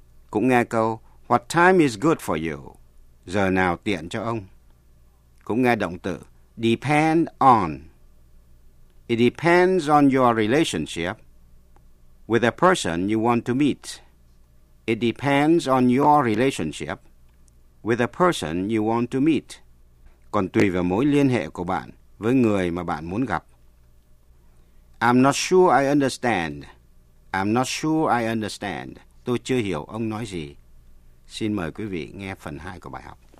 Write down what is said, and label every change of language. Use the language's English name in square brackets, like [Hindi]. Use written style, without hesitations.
[Vietnamese] Cũng nghe câu, [English] what time is good for you? [Vietnamese] Giờ nào tiện cho ông? Cũng nghe động từ depend on. [English] It depends on your relationship with a person you want to meet. It depends on your relationship with a person you want to meet. [Vietnamese] Còn tùy vào mối liên hệ của bạn với người mà bạn muốn gặp. [English] I'm not sure I understand. I'm not sure I understand. [Vietnamese] Tôi chưa hiểu ông nói gì. Xin mời quý vị nghe phần 2 của bài học.